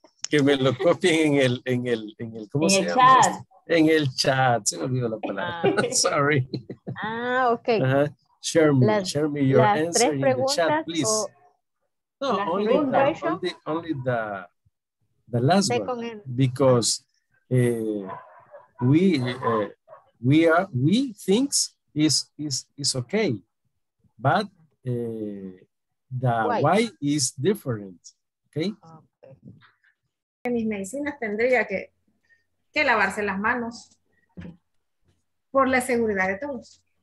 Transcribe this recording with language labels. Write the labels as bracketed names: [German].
[Spanish] Que me lo copien en el ¿cómo en se el llama? Chat. En el chat, se me olvidó la palabra. [English] Sorry. Ah, ok. Share me your answer in the chat, please. No, only the last second one. Because we think is okay, but the why is different. Okay. [Spanish] En mis medicinas tendría que lavarse las manos por la seguridad de todos.